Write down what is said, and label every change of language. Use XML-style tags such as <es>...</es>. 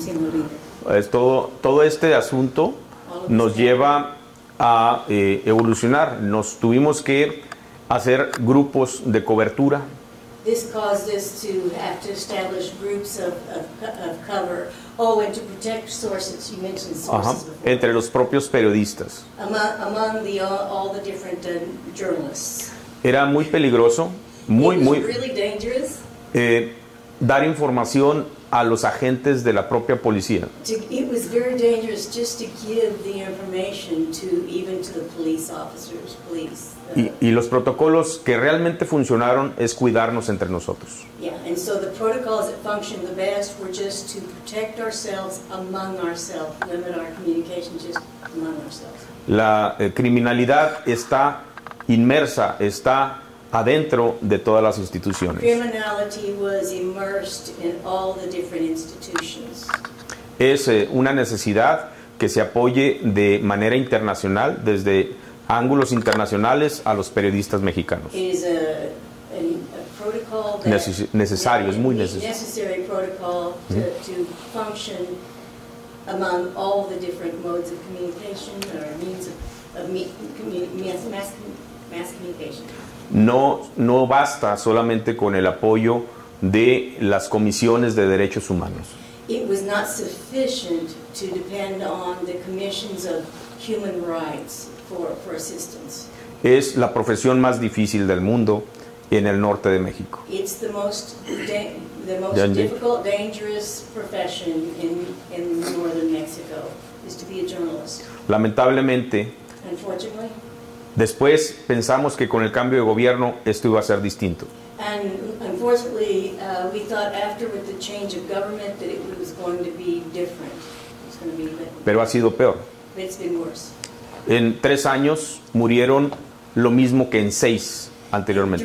<es>seeing todo este asunto nos lleva a evolucionar. Nos tuvimos que hacer grupos de cobertura.</es> <en>This caused us to have to establish groups of cover. Oh, and to protect sources. You mentioned sources before.</en> <es>Entre los propios periodistas.</es> <en>Among the all the different journalists.</en> <es>Era muy peligroso, muy</es> <en>really dangerous.</en> <es>Dar información a los agentes de la propia policía.</es> <en>It was very dangerous just to give the information to even to the police officers, police.</en> <es>Y los protocolos que realmente funcionaron es cuidarnos entre nosotros.</es> <en>Yeah, and so the protocols that functioned the best were just to protect ourselves among ourselves, limit our communication just among ourselves.</en> <es>La criminalidad está inmersa, está adentro de todas las instituciones.</es> <en>Criminality was immersed in all the different institutions.</en> <es>Es una necesidad que se apoye de manera internacional, desde ángulos internacionales a los periodistas mexicanos.</es> <en>Is a protocol that</en> <es>necesario, es muy necesario.</es> <en>Necessary protocol to function among all the different modes of communication or means of mass communication.</en> <es>No basta solamente con el apoyo de las comisiones de derechos humanos.</es> <en>It was not sufficient to depend on the commissions of human rights for assistance.</en> <es>Es la profesión más difícil del mundo en el norte de México.</es> <en>It's the most difficult, dangerous profession in northern Mexico is to be a journalist.</en> <es>Lamentablemente.</es> <en>Unfortunately.</en> <es>Después pensamos que con el cambio de gobierno esto iba a ser distinto.</es> <en>And unfortunately, we thought after with the change of government that it was going to be different. It's going to be different.</en> <es>Pero ha sido peor.</es> <en>It's been worse.</en> <es>En 3 años murieron lo mismo que en 6 anteriormente.</es>